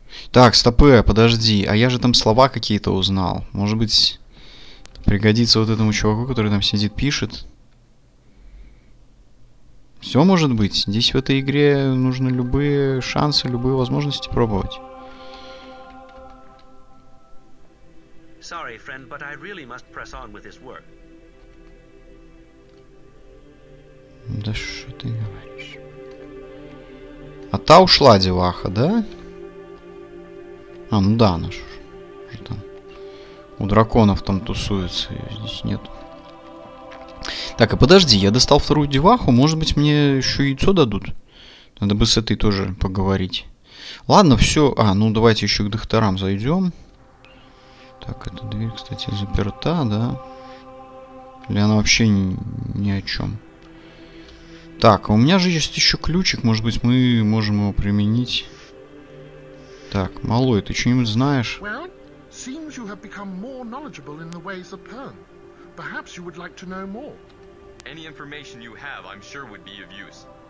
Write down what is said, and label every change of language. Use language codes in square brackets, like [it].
[ru] Так, стопы, подожди. А я же там слова какие-то узнал. Может быть, пригодится вот этому чуваку, который там сидит, пишет. Все может быть. Здесь в этой игре нужно любые шансы, любые возможности пробовать. [en] Sorry, friend, but I really must press on with this work. [ru] Да что ты говоришь? А та ушла, деваха, да? А, ну да, она ж. Что-то у драконов там тусуется, ее здесь нет. Так, а подожди, я достал вторую деваху, может быть, мне еще яйцо дадут? Надо бы с этой тоже поговорить. Ладно, все. А, ну давайте еще к докторам зайдем. Так, эта дверь, кстати, заперта, да? Или она вообще ни о чем? Так, у меня же есть еще ключик, может быть, мы можем его применить. Так, малой, ты что-нибудь знаешь? [en] Well, seems you have become more knowledgeable in the ways of Pern. Perhaps you would like to know more. Any information you have, I'm sure would be of use.